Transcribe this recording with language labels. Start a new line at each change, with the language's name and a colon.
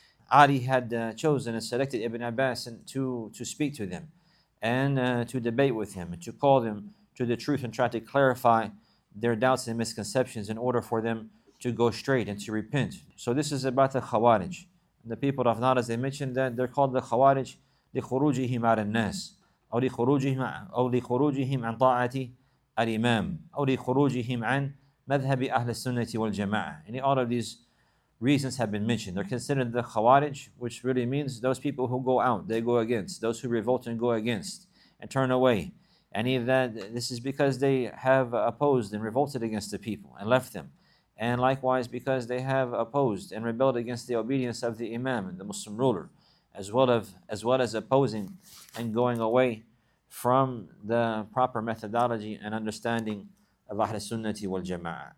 English: Ali had chosen and selected Ibn Abbas to speak to them and to debate with him, to call them to the truth and try to clarify their doubts and misconceptions in order for them to go straight and to repent. So this is about the Khawarij. The people of Nahr, as they mentioned, that they're called the Khawarij
Arabic: لِخُرُوجِهِمْ عَلَى النَّاسِ أو لخروجهم عن طاعة الإمام أو لخروجهم عن مذهب أهل السنة والجماعة.
English: Any all of these reasons have been mentioned. They're considered the Khawarij, which really means those people who go out, they go against, those who revolt and go against and turn away. Any of that, this is because they have opposed and revolted against the people and left them. And likewise, because they have opposed and rebelled against the obedience of the Imam and the Muslim ruler, as well as opposing and going away from the proper methodology and understanding of Ahl Sunnati wal Jama'ah.